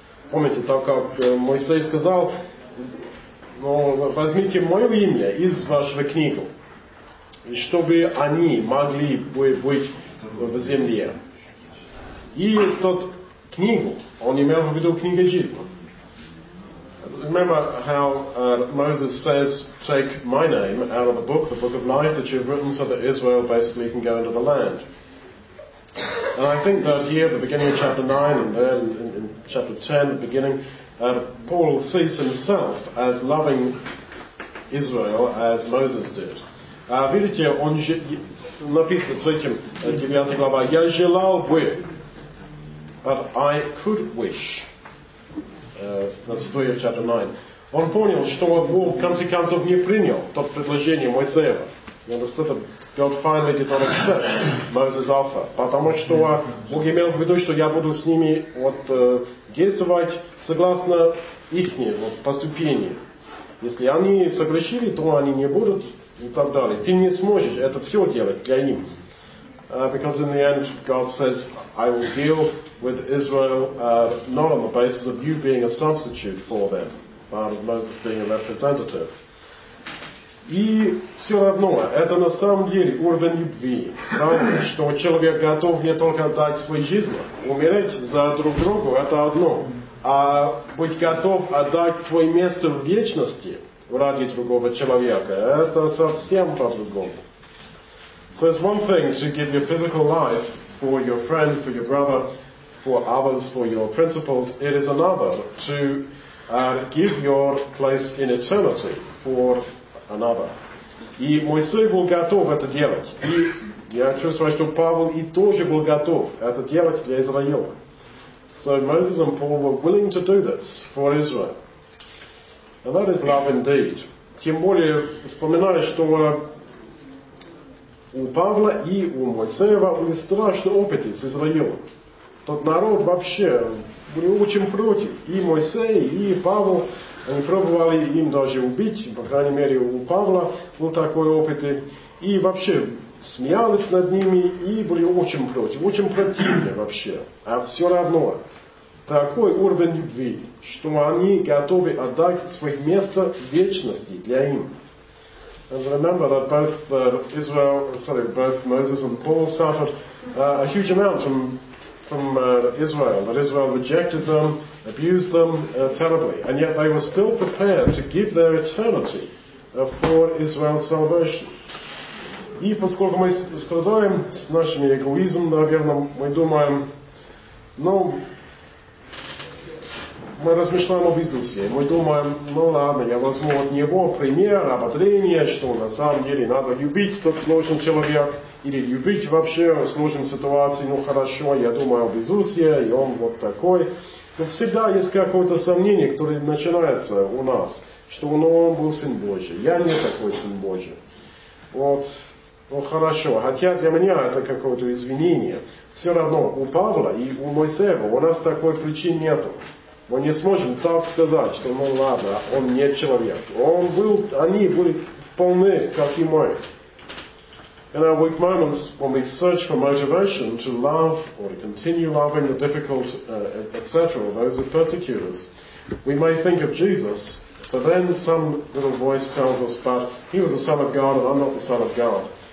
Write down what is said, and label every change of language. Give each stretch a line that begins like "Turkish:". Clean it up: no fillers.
Russian: Помните, так как Моисей сказал, ну, возьмите мое имя из вашего книгу, чтобы они могли быть в земле. И тот книгу, он имел в виду книгу жизни.
English: Remember how Moses says, take my name out of the book of life that you've written so that Israel basically can go into the land. And I think that here at the beginning of chapter 9 and then in chapter 10, the beginning, Paul sees himself as loving Israel as Moses did.
Russian: Видите, он же, написано в 3-м, 9-й главе, я желал бы,
English: but I could wish. That's 3 of chapter 9.
Russian: Он понял, что Бог, в конце концов, не принял то предложение Моисеева.
English: You understood that God finally did not accept Moses' offer.
Russian: Потому что Бог имел в виду, что я буду с ними вот, действовать согласно их вот, поступению. Если они согрешили, то они не будут и так далее. Ты не сможешь это все делать для них.
English: Because in the end, God says, I will deal with Israel not on the basis of you being a substitute for them, but of Moses being a representative.
Russian: И все равно, это на самом деле уровень любви. Правда, что человек готов не только отдать свою жизнь, умереть за друг друга, это одно. А быть готов отдать твое место в вечности ради другого человека, это совсем по-другому.
English: So it's one thing to give your physical life for your friend, for your brother, for others, for your principles. It is another to give your place in eternity for another.
Russian: И Моисей был готов это делать. И я чувствую, что Павел и тоже был готов это делать для Израиля.
English: So Moses and Paul were willing to do this for Israel. And that is love indeed.
Russian: Тем более, вспоминаю, что у Павла и у Моисеева были страшные опыты с Израилем. Тот народ вообще был очень против. И Моисей, и Павел. Они пробовали им даже убить, по крайней мере, у Павла был такой опыт. И вообще смеялись над ними и были очень против, очень противны вообще. А все равно, такой уровень любви, что они готовы отдать своих место вечности для им.
English: And remember that both Israel, sorry, both Moses and Paul suffered a huge amount from Israel, that Israel rejected them, abused them terribly, and yet they were still prepared to give their eternity for Israel's salvation.
Russian: И поскольку мы страдаем с нашим эгоизмом, наверное, мы думаем, ну, мы размышляем об Иисусе, мы думаем, ну ладно, я возьму от него пример, ободрение, что на самом деле надо любить тот сложный человек, или любить вообще сложную ситуацию, ну хорошо, я думаю об Иисусе, и он вот такой. Но всегда есть какое-то сомнение, которое начинается у нас, что ну, он был Сын Божий, я не такой Сын Божий. Вот, ну хорошо, хотя для меня это какое-то извинение. Все равно у Павла и у Моисеева у нас такой причин нету. Мы не сможем так сказать, что ну ладно, он не человек. Он был, они были вполне, как и мы.
English: In our weak moments, when we search for motivation to love or to continue loving the difficult, etc., those who persecute us, we may think of Jesus, but then some little voice tells us, but he was the Son of God and I'm not the Son of God.